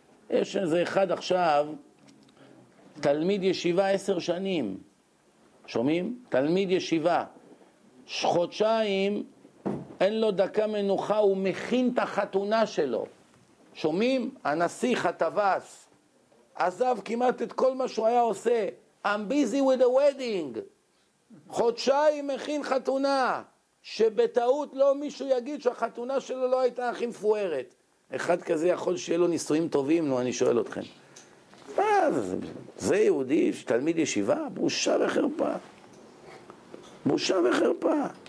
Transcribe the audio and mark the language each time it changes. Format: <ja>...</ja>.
<he>יש איזה אחד עכשיו, תלמיד ישיבה 10 שנים. שומעים? תלמיד ישיבה. חודשיים, אין לו דקה מנוחה, הוא מכין את החתונה שלו. שומעים? הנסיך, הטווס, עזב כמעט את כל מה שהוא היה עושה.</he> <en>I'm busy with the wedding.</en> <he>חודשיים מכין חתונה, שבטעות לא מישהו יגיד שהחתונה שלו לא הייתה הכי מפוארת. אחד כזה יכול שיהיה לו ניסויים טובים, נו, אני שואל אתכם. מה? זה יהודי, תלמיד ישיבה? בושה וחרפה. בושה וחרפה.</he>